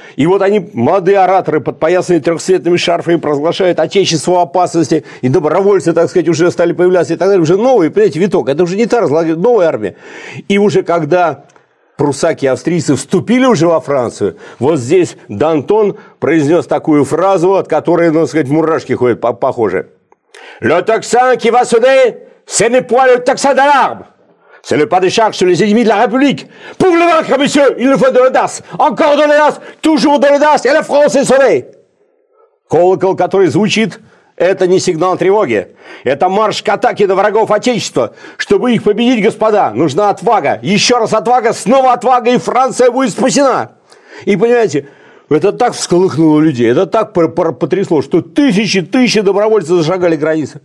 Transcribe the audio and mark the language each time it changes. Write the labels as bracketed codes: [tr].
[ru] И вот они, молодые ораторы, подпоясанные трехцветными шарфами, провозглашают отечество в опасности, и добровольцы, так сказать, уже стали появляться, и так далее, уже новый, понимаете, виток, это уже не та разлагает, новая армия. И уже когда пруссаки и австрийцы вступили уже во Францию, вот здесь Д'Антон произнес такую фразу, от которой, надо сказать, мурашки ходят, похоже. [fr] «Le Toxin qui va sonner, ce n'est pas le Toxin d'alarme, c'est le pas de charge sur les ennemis de la République. Pour le vaincre, monsieur, il nous faut de l'audace, encore de l'audace, toujours de l'audace, et la France est sauvée!» [ru] Колокол, который звучит, это не сигнал тревоги. Это марш к атаке на врагов Отечества. Чтобы их победить, господа, нужна отвага. Еще раз отвага, снова отвага, и Франция будет спасена. И понимаете, это так всколыхнуло людей, это так потрясло, что тысячи добровольцев зашагали границу.